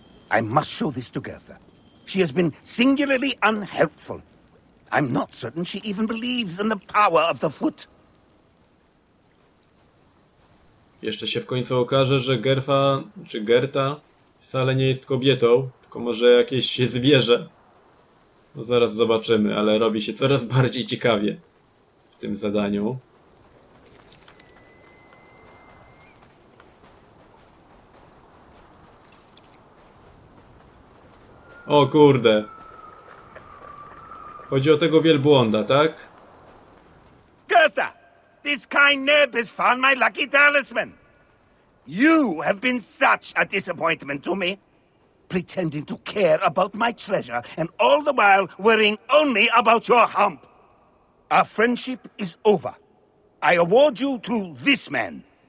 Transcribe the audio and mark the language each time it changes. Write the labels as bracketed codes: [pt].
[en] I must show this to Gertha. She has been singularly unhelpful. I'm not certain she even believes in the power of the foot. [pl] Jeszcze się w końcu okaże, że Gertha, czy Gertha, wcale nie jest kobietą, tylko może jakieś się zwierzę. No zaraz zobaczymy, ale robi się coraz bardziej ciekawie w tym zadaniu. O kurde. Chodzi o tego wielbłąda, tak? Gertha! [en] This kind neb has found my lucky talisman. You have been such a disappointment to me. Pretending to care about my treasure, and all the while worrying only about your hump. Our friendship is over. I award you to this man.